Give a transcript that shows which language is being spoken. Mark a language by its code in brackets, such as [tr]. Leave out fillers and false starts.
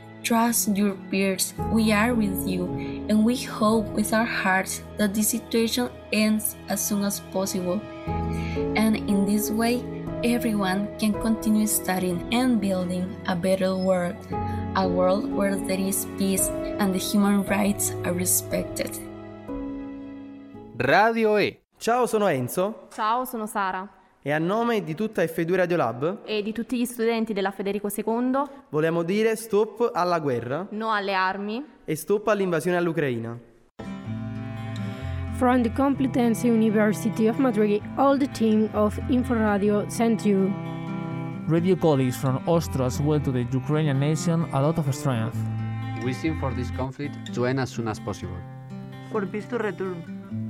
[en] Trust your peers. We are with you, and we hope with our hearts that this situation ends as soon as possible. And in this way, everyone can continue studying and building a better world, a world where there is peace and the human rights are respected. Radio E. [it] Ciao, sono Enzo. Ciao, sono Sara. E a nome di tutta F2 Radio Lab e di tutti gli studenti della Federico II volevamo dire stop alla guerra, no alle armi e stop all'invasione all'Ucraina. [en] From the Complutense University of Madrid, all the team of InfoRadio sent you. Radio colleagues from Austria as well to the Ukrainian nation a lot of strength. Wishing for this conflict to end as soon as possible. For peace to return.